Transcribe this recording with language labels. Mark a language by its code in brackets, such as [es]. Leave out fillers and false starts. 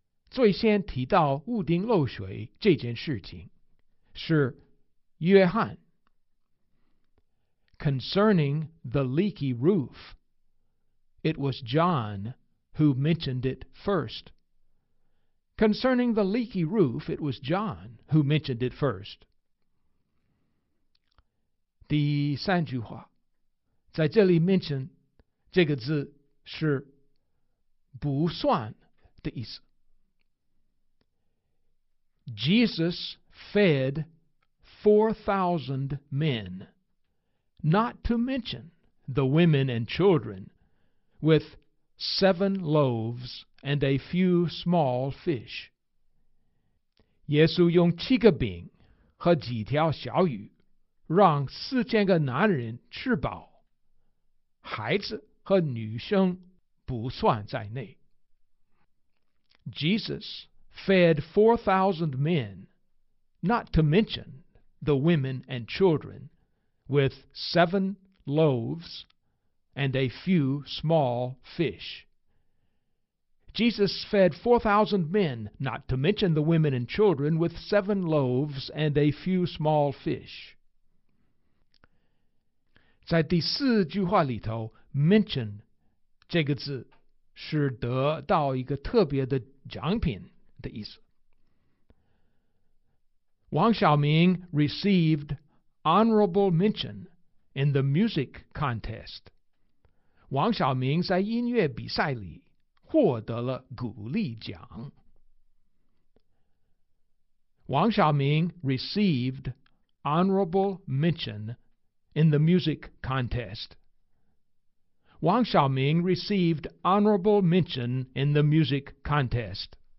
[zh] 最先提到屋顶漏水这件事情是约翰。 [en] Concerning the leaky roof, it was John who mentioned it first. Concerning the leaky roof, it was John who mentioned it first. [zh] 第三句话，在这里 mention 这个字是不算的意思。 [en] Jesus fed 4,000 men, not to mention the women and children, with 7 loaves and a few small fish. [zh] 耶稣用七个饼和几条小鱼让四千个男人吃饱，孩子和女生不算在内。 [en] Jesus fed 4,000 men, not to mention the women and children, with 7 loaves and a few small fish. Jesus fed 4,000 men, not to mention the women and children, with 7 loaves and a few small fish. [zh] 在第四句话里头 mention 这个字是得到一个特别的奖品的意思。 [en] 王小明 received honorable mention in the music contest. [zh] 王小明在音乐比赛里获得了鼓励奖。 [en] 王小明 received honorable mention in the music contest. Wang Xiaoming received honorable mention in the music contest.